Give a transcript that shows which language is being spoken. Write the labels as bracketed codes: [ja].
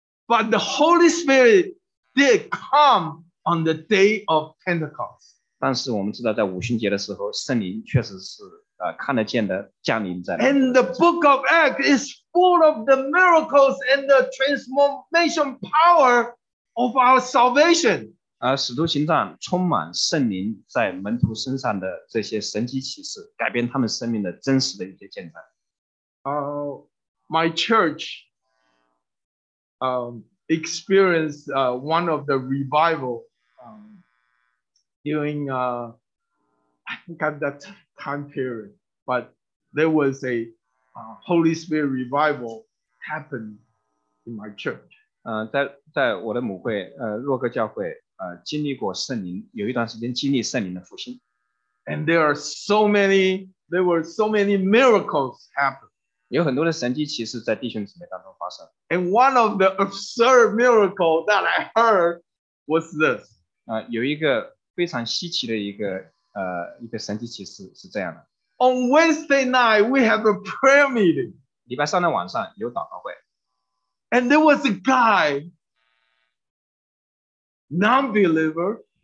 [en] But the Holy Spirit did come on the day of Pentecost. [zh] 但是我们知道在五旬节的时候圣灵确实是看得见的降临在。 [en] And the book of Acts is full of the miracles and the transformation power of our salvation. [zh] 使徒行传充满圣灵在门徒身上的这些神迹奇事，改变他们生命的真实的一些见证。 [en] My church, experienced one of the revival during I think at that time period, but there was a Holy Spirit revival happened in my church. [zh] 在我的母会洛克教会经历过圣灵，有一段时间经历圣灵的复兴。 [en] And there were so many miracles happened. [zh] 有很多的神迹奇事在弟兄姊妹当中发生。 [en] And one of the absurd miracles that I heard was this. [zh] 有一个非常稀奇的一个神迹奇事是这样的。 [en] On Wednesday night, we have a prayer meeting. [zh] 礼拜三的晚上有祷告会。 [en] And there was a guy, non-believer.